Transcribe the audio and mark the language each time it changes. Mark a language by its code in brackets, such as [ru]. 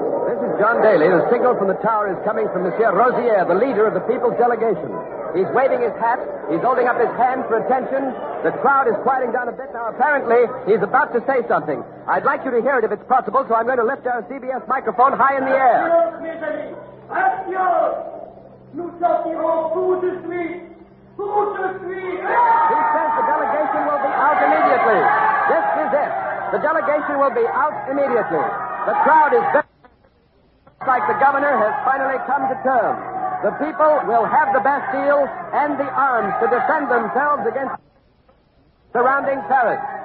[en] This is John Daly. The signal from the tower is coming from Monsieur Rosier, the leader of the people's delegation. He's waving his hat. He's holding up his hand for attention. The crowd is quieting down a bit now. Apparently, he's about to say something. I'd like you to hear it if it's possible, so I'm going to lift our CBS microphone high in the air. [fr] Adios, mes amis. Adios. Nous sortirons tout de suite. [en] 2, 3. He says the delegation will be out immediately. This is it. The delegation will be out immediately. The crowd is very... Looks like the governor has finally come to terms. The people will have the Bastille and the arms to defend themselves against surrounding Paris.